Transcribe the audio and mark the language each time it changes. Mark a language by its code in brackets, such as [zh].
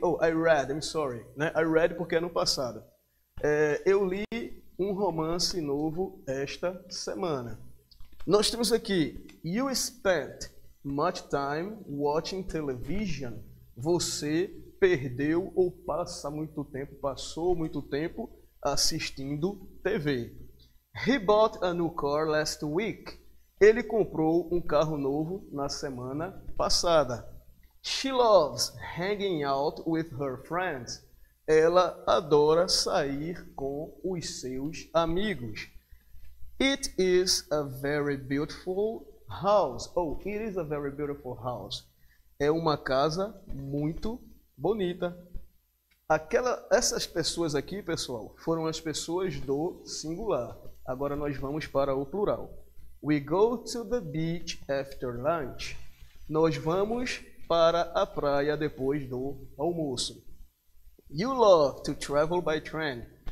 [en] Oh, I read, I'm sorry, [pt] né? [en] I read [pt] porque é no passado. Eu li um romance novo esta semana. Nós temos aqui, [en] you spent much time watching television. [pt] Você perdeu ou passou muito tempo assistindo TV. [en] He bought a new car last week. [pt] Ele comprou um carro novo na semana passada. [en] She loves hanging out with her friends. [pt] Ela adora sair com os seus amigos. [en] It is a very beautiful house. Oh, it is a very beautiful house. [pt] É uma casa muito bonita. Essas pessoas aqui, pessoal, foram as pessoas do singular. Agora nós vamos para o plural. [en] We go to the beach after lunch. [pt] Nós vamos para a praia depois do almoço. [en] You love to travel by train.